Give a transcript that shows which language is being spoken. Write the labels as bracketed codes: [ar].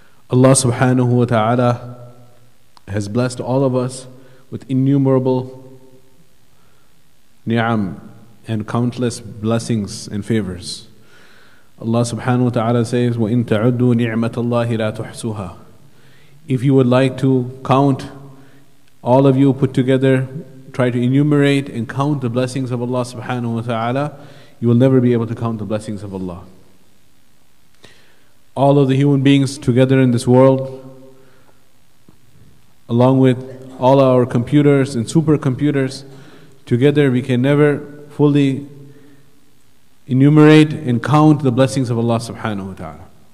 [en] Allah subhanahu wa ta'ala has blessed all of us with innumerable ni'am and countless blessings and favors. [ar] Allah subhanahu wa ta'ala says, وَإِن تَعُدُّوا نِعْمَةَ اللَّهِ لَا تُحْسُوهَا. [en] If you would like to count, all of you put together, try to enumerate and count the blessings of Allah subhanahu wa ta'ala, you will never be able to count the blessings of Allah. All of the human beings together in this world, along with all our computers and supercomputers, together we can never fully enumerate and count the blessings of Allah subhanahu wa ta'ala.